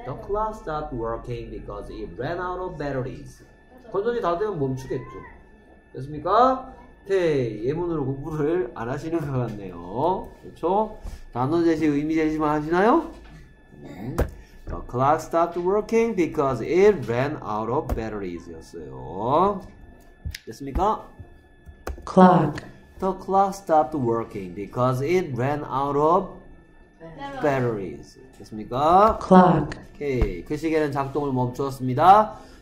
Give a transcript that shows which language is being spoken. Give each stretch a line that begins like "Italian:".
English: The clock stopped working because it ran out of batteries.
Korean: 건전지 다 되면 멈추겠죠. 됐습니까? 네, 예문으로 공부를 안 하시는 것 같네요. 그렇죠? 단어 제시, 의미 제시만 하시나요?
English: The clock stopped working because it ran out of batteries.
Korean: 였어요. 됐습니까?
English: Clock. The clock stopped working because it ran out of batteries.
Korean: 됐습니까?
English: Clock. Okay.
Korean: 그 시계는 작동을 멈추었습니다.